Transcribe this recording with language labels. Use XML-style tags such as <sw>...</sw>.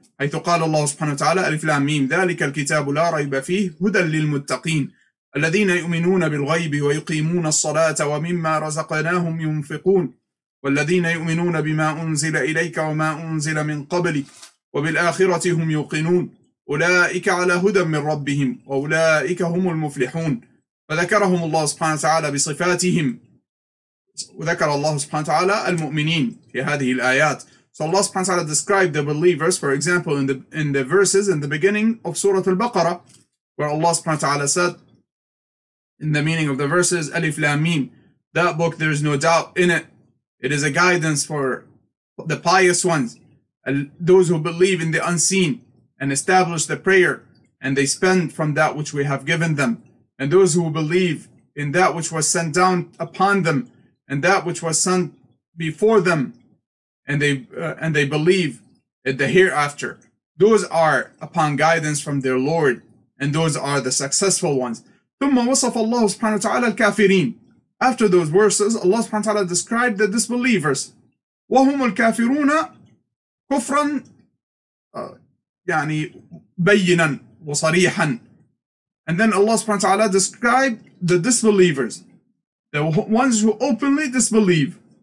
<ar>حيث قال الله سبحانه وتعالى ألف لام ميم ذلك الكتاب لا ريب فيه هدى للمتقين الذين يؤمنون بالغيب ويقيمون الصلاة ومما رزقناهم ينفقون والذين يؤمنون بما أنزل إليك وما أنزل من قبلك وبالآخرة هم يوقنون أولئك على هدى من ربهم وأولئك هم المفلحون. فذكرهم الله سبحانه وتعالى بصفاتهم, وذكر الله سبحانه وتعالى المؤمنين في هذه الآيات.</ar> <en>So Allah</en> <ar>subhanahu wa ta'ala</ar> <en>described the believers, for example, in the verses in the beginning of Surah Al-Baqarah, where Allah</en> <ar>subhanahu wa ta'ala</ar> <en>said, in the meaning of the verses, Alif Lam Mim, that book there is no doubt in it. It is a guidance for the pious ones, those who believe in the unseen and establish the prayer, and they spend from that which we have given them, and those who believe in that which was sent down upon them, and that which was sent before them, and they believe in the hereafter. Those are upon guidance from their Lord, and those are the successful ones.</en> <ar>ثم وصف الله سبحانه وتعالى الكافرين.</ar> <en>After those verses, Allah</en> <ar>سبحانه وتعالى</ar> <en>described the disbelievers.</en> <ar>وهم الكافرون كفرا يعني بينا وصريحا.</ar> <en>And then Allah</en> <ar>سبحانه وتعالى</ar> <en>described the disbelievers, the ones who openly disbelieve.</en>